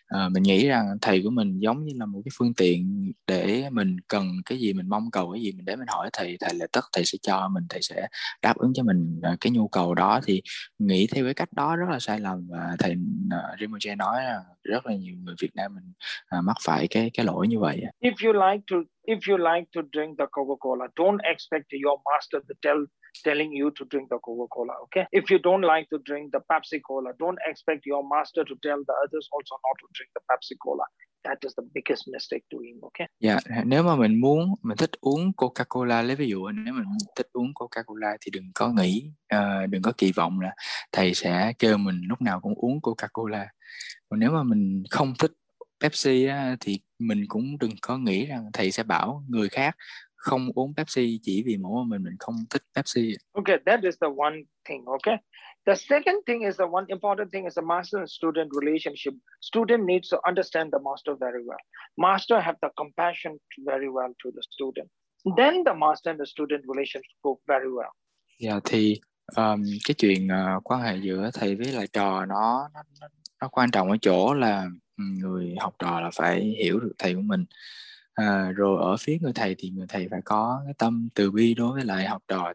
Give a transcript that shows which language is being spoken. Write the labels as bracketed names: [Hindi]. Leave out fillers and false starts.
[Vietnamese] Mình nghĩ rằng thầy của mình giống như là một cái phương tiện để mình cần cái gì, mình mong cầu cái gì, mình để mình hỏi thầy là tất thầy sẽ cho mình, thầy sẽ đáp ứng cho mình cái nhu cầu đó. Thì nghĩ theo cái cách đó rất là sai lầm. Và thầy Rinpoche nói là rất là nhiều người Việt Nam mình mắc phải cái lỗi như vậy. [English] If you like to drink the Coca-Cola, don't expect your master to telling you to drink the Coca-Cola, okay? If you don't like to drink the Pepsi-Cola, don't expect your master to tell the others also not to drink the Pepsi-Cola. That is the biggest mistake doing, okay? [Vietnamese] Yeah, nếu mà mình thích uống Coca-Cola, lấy ví dụ, nếu mình thích uống Coca-Cola thì đừng có kỳ vọng là thầy sẽ kêu mình lúc nào cũng uống Coca-Cola. Còn nếu mà mình không thích Pepsi thì mình cũng đừng có nghĩ rằng thầy sẽ bảo người khác không uống Pepsi chỉ vì mỗi mình không thích Pepsi. [English] Okay, that is the one thing, okay? The second thing is the one important thing is the master and student relationship. Student needs to understand the master very well. Master have the compassion very well to the student. Then the master and the student relationship go very well. [Vietnamese] Yeah, thì cái chuyện quan hệ giữa thầy với lại trò nó quan trọng ở chỗ là người học trò là phải hiểu được thầy của mình. Rồi ở phía người thầy thì người thầy phải có cái tâm từ bi đối với lại học trò.